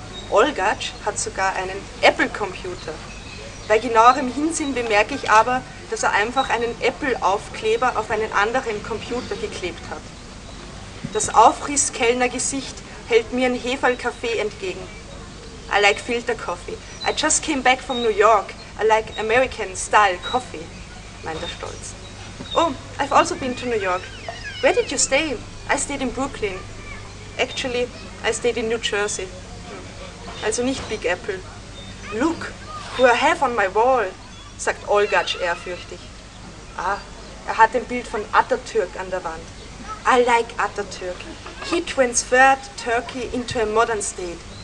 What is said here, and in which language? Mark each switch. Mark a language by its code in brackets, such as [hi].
[de] Olgac hat sogar einen Apple-Computer. Bei genauerem Hinsehen bemerke ich aber, dass er einfach einen Apple-Aufkleber auf einen anderen Computer geklebt hat. Das Aufriss-Kellner-Gesicht hält mir ein Heferl-Kaffee entgegen. [en] I like filter coffee. I just came back from New York. I like American-style coffee, [de] meint er stolz. [en] Oh, I've also been to New York. Where did you stay? I stayed in Brooklyn. Actually, I stayed in New Jersey. [de] Also nicht Big Apple. [en] Look, who I have on my wall, [de] sagt Olgatsch ehrfürchtig. Ah, er hat ein Bild von Atatürk an der Wand. [en] I like Atatürk. He transferred Turkey into a modern state.